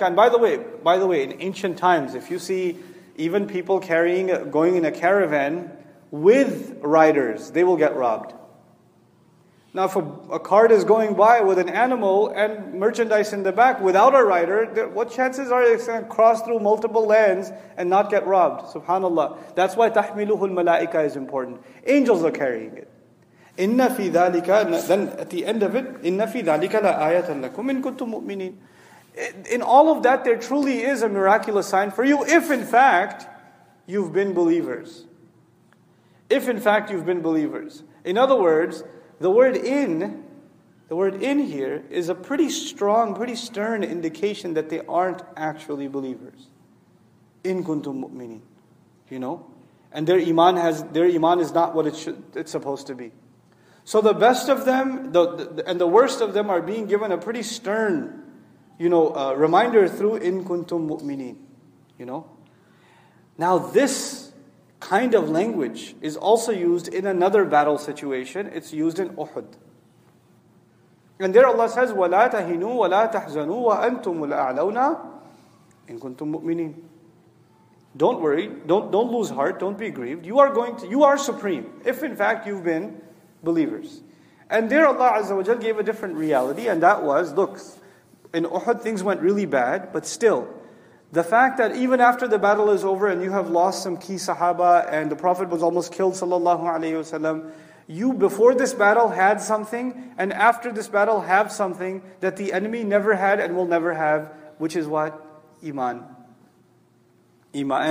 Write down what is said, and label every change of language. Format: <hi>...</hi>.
<en>And by the way, in ancient times, if you see even people going in a caravan with riders, they will get robbed. Now if a cart is going by with an animal and merchandise in the back without a rider, what chances are it's going to cross through multiple lands and not get robbed? SubhanAllah. That's why</en> <ar>تَحْمِلُهُ الْمَلَائِكَ</ar> <en>is important. Angels are carrying it.</en> <ar>إِنَّ فِي ذَلِكَ.</ar> <en>Then at the end of it,</en> <ar>إِنَّ فِي ذَلِكَ لَآيَةً لَكُمْ إِن كُنتُم مُؤْمِنِينَ.</ar> <en>In all of that, there truly is a miraculous sign for you if in fact you've been believers. If in fact you've been believers. In other words, the word in here is a pretty strong, pretty stern indication that they aren't actually believers.</en> <ar>In kuntum mu'minin.</ar> <en>You know? And their iman is not what it's supposed to be. So the best of them and the worst of them are being given a pretty stern, you know, reminder through</en> <ar>in kuntum mu'minin.</ar> <en>You know? Now this kind of language is also used in another battle situation. It's used in Uhud. And there Allah says,</en> <ar>وَلَا تَهِنُوا وَلَا تَحْزَنُوا وَأَنْتُمُ الْأَعْلَوْنَا إِن كُنْتُم مُؤْمِنِينَ.</ar> <en>Don't worry, don't lose heart, don't be grieved. You are supreme, if in fact you've been believers. And there Allah Azza wa Jal gave a different reality, and that was, look, in Uhud things went really bad, but still, the fact that even after the battle is over and you have lost some key sahaba and the Prophet was almost killed sallallahu alayhi wa sallam, you before this battle had something and after this battle have something that the enemy never had and will never have, which is what? Iman. Iman.</en>